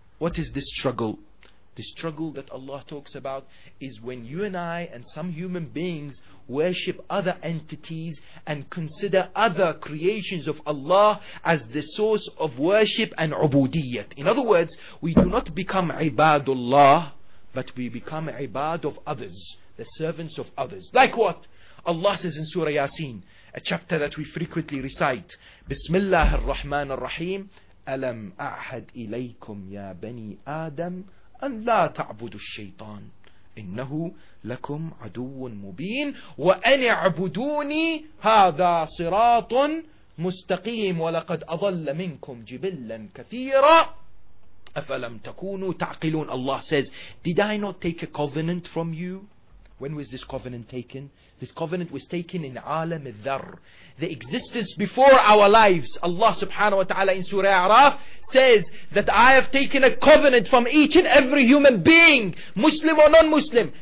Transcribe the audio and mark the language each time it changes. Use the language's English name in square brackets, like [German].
[English] What is this struggle? The struggle that Allah talks about is when you and I and some human beings worship other entities and consider other creations of Allah as the source of worship and ubudiyyat. In other words, we do not become ibadullah, but we become ibad of others, the servants of others. Like what? Allah says in Surah Yasin, a chapter that we frequently recite, [Arabic] Bismillah ar-Rahman ar-Rahim, Alam a'had ilaykum ya bani Adam أن لا تعبدوا الشيطان إنه لكم عدو مبين وأن اعبدوني هذا صراط مستقيم ولقد أضل منكم جبلا كثيرا أفلم تكونوا تعقلون. [English] Allah says, did I not take a covenant from you? When was this covenant taken? This covenant was taken in Alam al-Dharr, the existence before our lives. Allah subhanahu wa ta'ala in Surah A'raf says that I have taken a covenant from each and every human being, Muslim or non-Muslim.